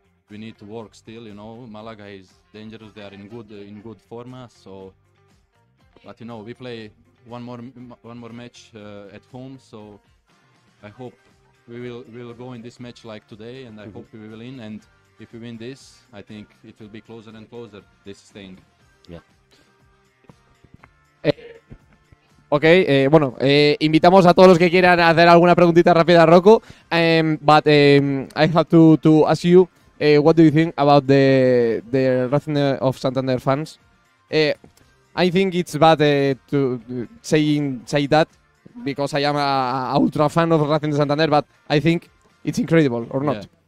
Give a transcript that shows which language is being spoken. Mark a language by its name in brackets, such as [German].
[English] We need to work still, you know. Malaga is dangerous. They are in good form, so. But you know, we play one more match at home. So I hope we will go in this match like today, and I mm-hmm. hope we will win. And if we win this, I think it will be closer and closer. This thing. Yeah. [Spanish] Okay, bueno, invitamos a todos los que quieran hacer alguna preguntita rápida a Roko. [English] I have to ask you, what do you think about the Racing of Santander fans? I think it's bad to say that, because I am a ultra fan of Racing de Santander, but I think it's incredible, or not?